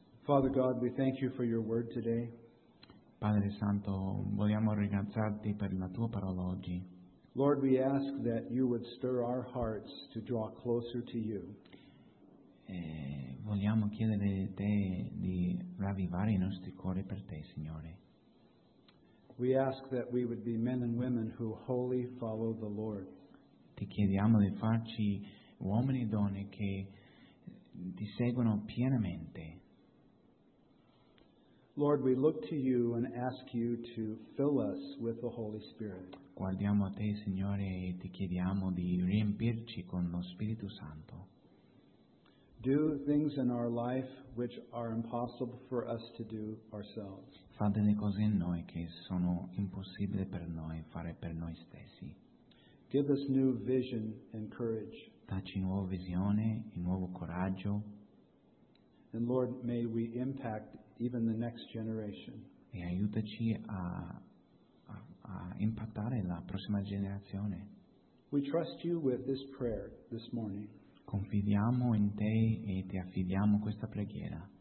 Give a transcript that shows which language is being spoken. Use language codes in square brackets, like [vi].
[en] Father God, we thank you for your word today. [it] Padre Santo, vogliamo ringraziarti per la tua parola oggi. [en] Lord, we ask that you would stir our hearts to draw closer to you. [it] E vogliamo chiedere a te di ravvivare i nostri cuori per te, Signore. [en] We ask that we would be men and women who wholly follow the Lord. [it] Ti chiediamo di farci uomini e donne che ti seguono pienamente. [en] Lord, we look to you and ask you to fill us with the Holy Spirit. [it] Guardiamo a te, Signore, e ti chiediamo di riempirci con lo Spirito Santo. [en] Do things in our life which are impossible for us to do ourselves. [it] Fa delle cose in noi che sono impossibili per noi fare per noi stessi. [en] Give us new vision and courage. [it] Dacci nuova visione e nuovo coraggio. [en] And Lord, may we impact even the next generation. [it] E aiutaci a impattare la prossima generazione. [en] We trust you with this prayer this morning. [it] Confidiamo in te e ti affidiamo questa preghiera.